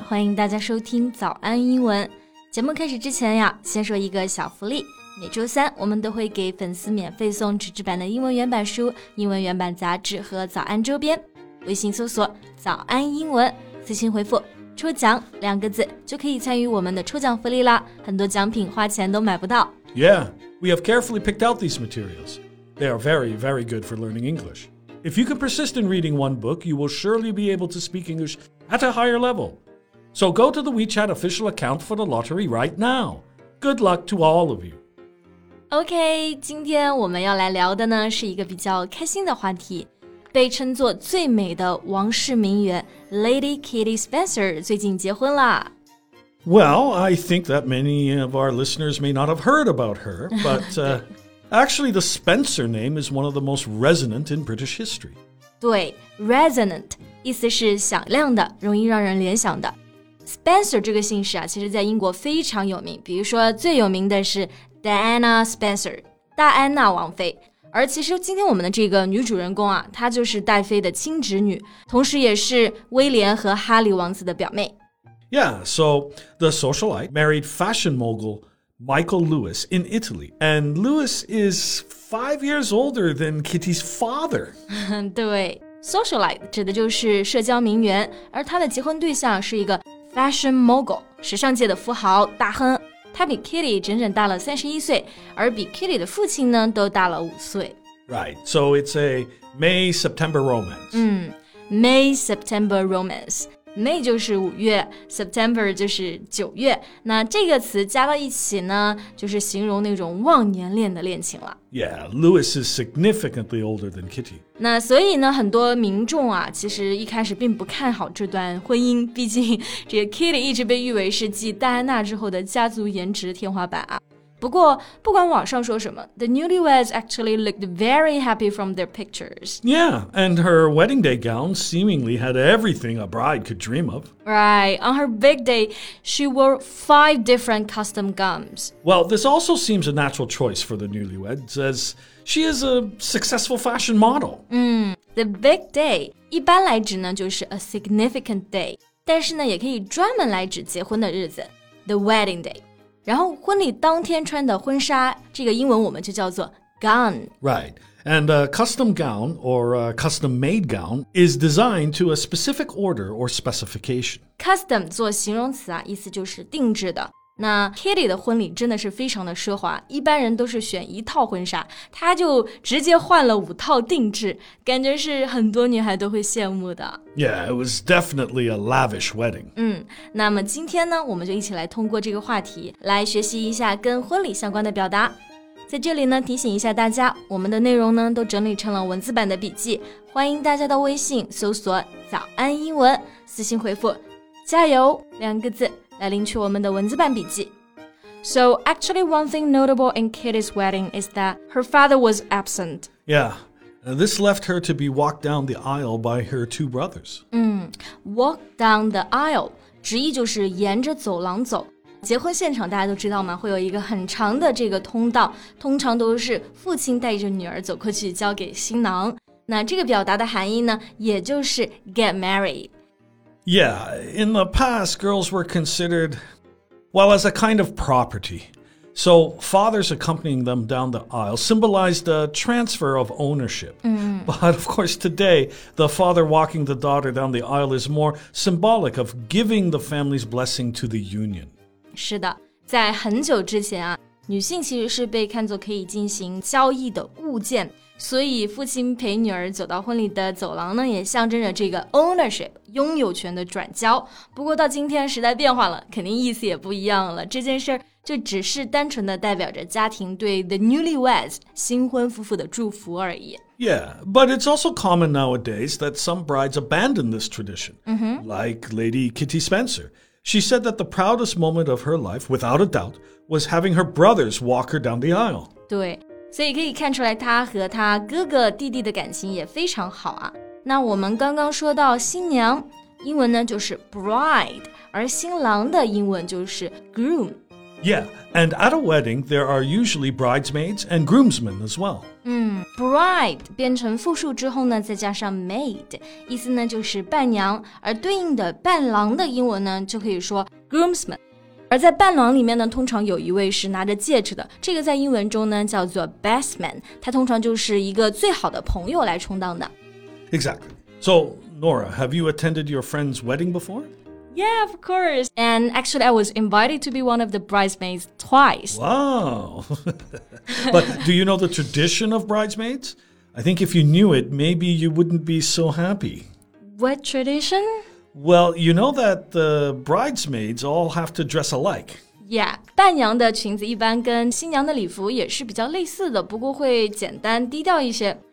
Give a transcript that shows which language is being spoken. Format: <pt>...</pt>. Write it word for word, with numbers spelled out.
<zh>欢迎大家收听早安英文。节目开始之前呀，先说一个小福利。每周三，我们都会给粉丝免费送纸质版的英文原版书、英文原版杂志和早安周边。微信搜索“早安英文”，私信回复“抽奖”两个字，就可以参与我们的抽奖福利啦。很多奖品花钱都买不到。</zh> <en>Yeah, we have carefully picked out these materials. They are very, very good for learning English. If you can persist in reading one book, you will surely be able to speak English at a higher level. So go to the WeChat official account for the lottery right now. Good luck to all of you.</en> <zh>OK, 今天我们要来聊的呢是一个比较开心的话题。被称作最美的王室名媛 Lady Kitty Spencer 最近结婚啦。</zh> <en>Well, I think that many of our listeners may not have heard about her, but... Uh, Actually, the Spencer name is one of the most resonant in British history.</en> <zh>对 resonant 意思是响亮的，容易让人联想的。 Spencer 这个姓氏啊，其实在英国非常有名，比如说最有名的是 Diana Spencer 戴安娜王妃。而其实今天我们的这个女主人公啊，她就是戴妃的亲侄女，同时也是威廉和哈利王子的表妹。</zh> <en>Yeah, so the socialite married fashion mogul. Michael Lewis in Italy. And Lewis is five years older than Kitty's father.</en> <zh>对 socialite 指的就是社交名媛而她的结婚对象是一个 fashion mogul, 时尚界的富豪大亨。她比 Kitty 整整大了三十一岁而比 Kitty 的父亲呢都大了五岁。</zh> <en>Right, so it's a May-September romance. 嗯 May-September romance.</en> <zh>May 就是五月 September 就是九月那这个词加到一起呢就是形容那种忘年恋的恋情了</zh> <en>Yeah, Lewis is significantly older than Kitty</en> <zh>那所以呢很多民众啊其实一开始并不看好这段婚姻毕竟这个 Kitty 一直被誉为是继戴安娜之后的家族颜值天花板啊不过不管网上说什么</zh> <en>The newlyweds actually looked very happy from their pictures. Yeah, and her wedding day gown seemingly had everything a bride could dream of. Right, on her big day, she wore five different custom gowns. Well, this also seems a natural choice for the newlyweds, as she is a successful fashion model.</en> <zh>嗯 the big day, 一般来指呢就是 a significant day, 但是呢也可以专门来指结婚的日子 the wedding day. 然后婚礼当天穿的婚纱这个英文我们就叫做 gown.</zh> <en>Right. And a custom gown or a custom made gown is designed to a specific order or specification.</en> <zh>Custom 做形容词啊意思就是定制的。那 Kitty 的婚礼真的是非常的奢华一般人都是选一套婚纱她就直接换了五套定制感觉是很多女孩都会羡慕的</zh> <en>Yeah, it was definitely a lavish wedding</en> <zh>嗯，那么今天呢我们就一起来通过这个话题来学习一下跟婚礼相关的表达在这里呢提醒一下大家我们的内容呢都整理成了文字版的笔记欢迎大家到微信搜索早安英文私信回复加油两个字来领取我们的文字版笔记</zh> <en>So actually one thing notable in Kitty's wedding is that her father was absent. Yeah, this left her to be walked down the aisle by her two brothers.</en> <zh>嗯 walk down the aisle, 直译就是沿着走廊走。结婚现场大家都知道吗会有一个很长的这个通道通常都是父亲带着女儿走过去交给新郎。那这个表达的含义呢也就是 get married.</zh> <en>Yeah, in the past, girls were considered, well, as a kind of property. So fathers accompanying them down the aisle symbolized a transfer of ownership. Mm. But of course, today, the father walking the daughter down the aisle is more symbolic of giving the family's blessing to the union.</en> <zh>是的，在很久之前啊，女性其实是被看作可以进行交易的物件。所以父亲陪女儿走到婚礼的走廊呢也象征着这个 ownership 拥有权的转交不过到今天时代变化了肯定意思也不一样了这件事就只是单纯的代表着家庭对 the newlyweds 新婚夫妇的祝福而已</zh> <en>Yeah, but it's also common nowadays that some brides abandon this tradition、mm-hmm. Like Lady Kitty Spencer She said that the proudest moment of her life, without a doubt, was having her brothers walk her down the aisle</en> <zh>对所以可以看出来她和她哥哥弟弟的感情也非常好啊。那我们刚刚说到新娘英文呢就是 bride 而新郎的英文就是 groom</zh> <en>Yeah, and at a wedding, there are usually bridesmaids and groomsmen as well.</en> <zh>嗯 bride 变成复数之后呢，再加上 maid， 意思呢就是伴娘，而对应的伴郎的英文呢就可以说 groomsman。而在伴郎里面呢，通常有一位是拿着戒指的，这个在英文中呢叫做 best man， 他通常就是一个最好的朋友来充当的。</zh> <en>Exactly. So, Nora, have you attended your friend's wedding before? Yeah, of course. And actually, I was invited to be one of the bridesmaids twice. Wow. But do you know the tradition of bridesmaids? I think if you knew it, maybe you wouldn't be so happy. What tradition? Well, you know that the bridesmaids all have to dress alike.</en> <zh>Yeah, 伴娘的裙子一般跟新娘的礼服也是比较类似的，不过会简单低调一些。</zh>